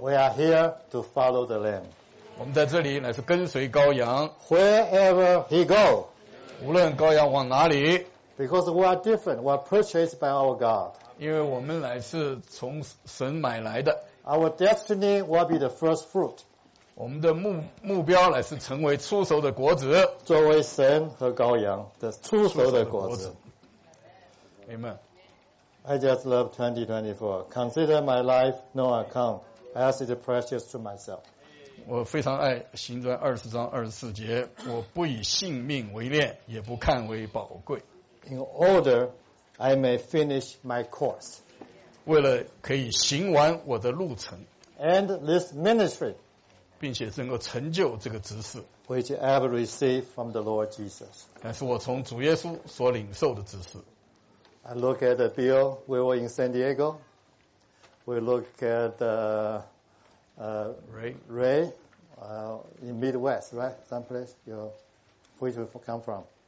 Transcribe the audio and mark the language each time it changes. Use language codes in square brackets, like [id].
[en] We are here to follow the Lamb. [zh] 我们在这里乃是跟随羔羊。 [en] Wherever he goes. [zh] 无论羔羊往哪里。 [en] Because we are different. We are purchased by our God. [zh] 因为我们乃是从神买来的。 [en] Our destiny will be the first fruit. [zh] 我们的目标乃是成为出熟的果子，作为神和羔羊的出熟的果子。 [en] Amen. I just love 2024. Consider my life no account, as it is precious to myself. [zh] 我非常爱行传20:24，我不以性命为念，也不看为宝贵。 [en] In order, I may finish my course. [zh] 为了可以行完我的路程。 [en] And this ministry. [zh] 并且能够成就这个职事 [en] ，which I have received from the Lord Jesus， [zh] 乃是我从主耶稣所领受的职事。 [en] I look at the bill we were in San Diego. We look at the Ray in Midwest, right? Someplace you, which we come from.